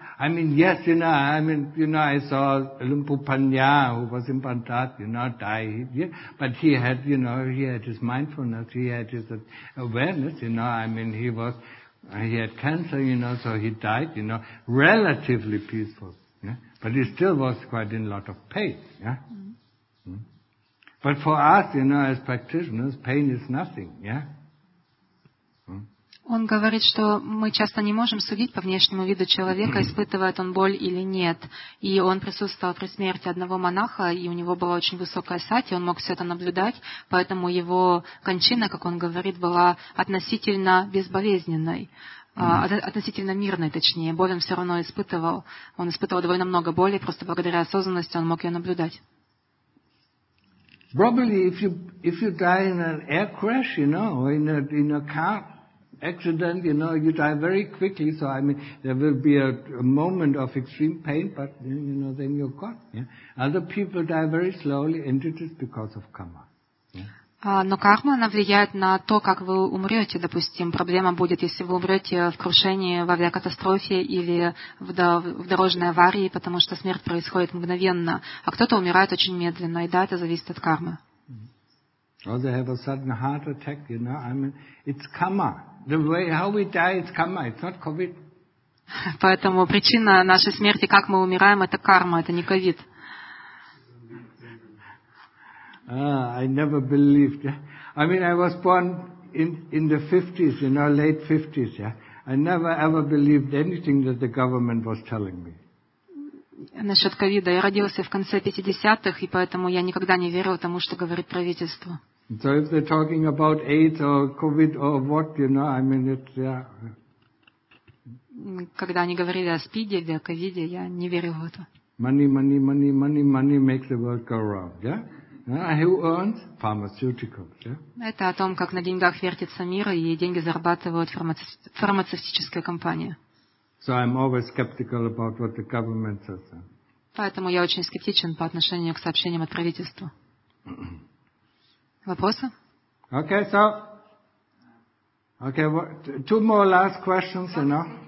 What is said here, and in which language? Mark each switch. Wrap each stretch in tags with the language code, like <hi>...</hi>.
<en>I mean, yes, you know, I saw Lumpu Panya, who was in Pantat, you know, die, yeah, but he had, you know, he had his mindfulness, he had his awareness, you know, I mean, he had cancer, you know, so he died, you know, relatively peaceful, yeah, but he still was quite in a lot of pain, yeah. Mm-hmm. But for us, you know, as practitioners, pain is nothing, yeah.</en> <ru>Он говорит, что мы часто не можем судить по внешнему виду человека, испытывает он боль или нет. И он присутствовал при смерти одного монаха, и у него была очень высокая сати, он мог все это наблюдать, поэтому его кончина, как он говорит, была относительно безболезненной, относительно мирной, точнее. Боль он все равно испытывал. Он испытывал довольно много боли, просто благодаря осознанности он мог ее наблюдать.</ru> <en>Probably if you die in an air crash, you know, or in a car accident, you know, you die very quickly, so I mean, there will be a moment of extreme pain, but you know, then you're gone. Yeah? Other people die very slowly, and it is because of karma.</en> <ru>Но карма, она влияет на то, как вы умрете, допустим. Проблема будет, если вы умрете в крушении, в авиакатастрофе или в дорожной аварии, потому что смерть происходит мгновенно. А кто-то умирает очень медленно, и да, это зависит от кармы.</ru> <en>Or they have a sudden heart attack, you know. I mean, it's karma. The way how we die, it's karma. It's not COVID.</en> <ru>Поэтому причина нашей смерти, как мы умираем, это карма, это не ковид.</ru> <en>I never believed. I mean, I was born in the 50s, in our late 50s. I never ever believed anything that the government was telling me.</en> <ru>Насчет ковида. Я родился в конце 50-х, и поэтому я никогда не верил тому, что говорит правительство.</ru> <en>So if they're talking about AIDS or COVID or what, you know, I mean, it's, yeah.</en> <ru>Когда они говорили о СПИДе или о ковиде, я не верил в это.</ru> <en>Money, money, money, money, money makes the world go round, yeah? Who earns? Pharmaceuticals, yeah?</en> <ru>Это о том, как на деньгах вертится мир, и деньги зарабатывают фармацевтическая компания.</ru> <en>So I'm always skeptical about what the government says.</en> <ru>Поэтому я очень скептичен по отношению к сообщениям от правительства. Вопросы?</ru> <en>Okay, so. Okay, what, two more last questions, you know?</en>